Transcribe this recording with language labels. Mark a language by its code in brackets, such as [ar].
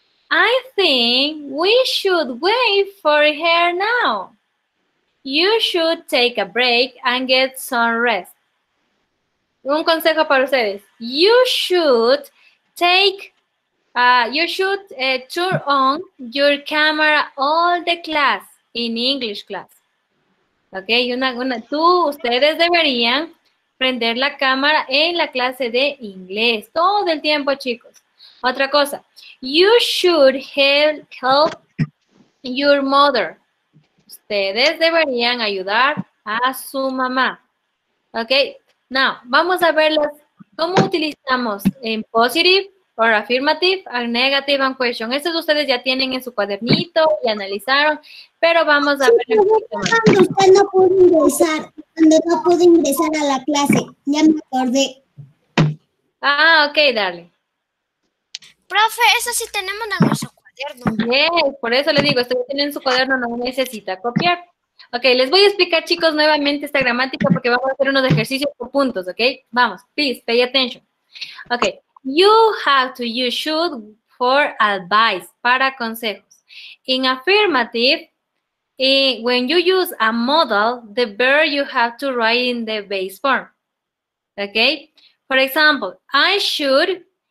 [en] I think we should wait for her now. You should take a break and get some rest. [es] Un consejo para ustedes. [en] You should turn on your camera all the class. In English class. [es] Ok, ustedes deberían prender la cámara en la clase de inglés todo el tiempo, chicos. Otra cosa, [en] you should help your mother. [es] Ustedes deberían ayudar a su mamá. [en] Ok, now, [es] vamos a ver cómo utilizamos en [en] positive or affirmative, or negative, and question. [es] Estos ustedes ya tienen en su cuadernito y analizaron, pero vamos a ver. Cuando usted no pudo ingresar, a la clase, ya me acordé. Ah, ok, dale. Profe, eso sí tenemos en nuestro cuaderno. Bien, por eso le digo, usted tiene en su cuaderno, no necesita copiar. Ok, les voy a explicar, chicos, nuevamente esta gramática porque vamos a hacer unos ejercicios por puntos, ok. [en] Vamos, please, pay attention. Ok. You have to use should for advice, [es] para consejos. [en] In affirmative, when you use a modal, the verb you have to write in the base form. Okay? For example, I should